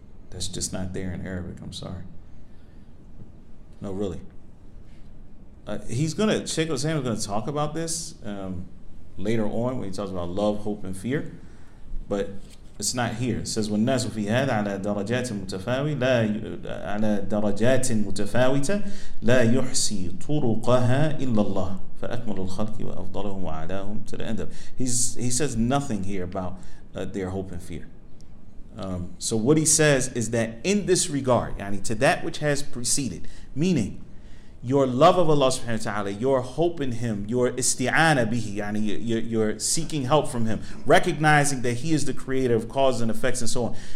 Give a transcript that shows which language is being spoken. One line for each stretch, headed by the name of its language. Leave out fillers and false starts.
English: That's just not there in Arabic. I'm sorry. No, really. Sheikh Hussein is going to talk about this later on when he talks about love, hope, and fear. But It's not here. It says
Arabic: والناس في هذا على درجات متفاوتة لا على درجات متفاوتة لا يحصي طرقها إلا الله فأكمل الخلق وأفضلهم وأعلاهم
English: to the end of. He says nothing here about their hope and fear. So what he says is that in this regard, يعني to that which has preceded, meaning your love of Allah subhanahu wa ta'ala, your hope in Him, your isti'ana bihi, yani your seeking help from Him, recognizing that He is the creator of causes and effects and so on.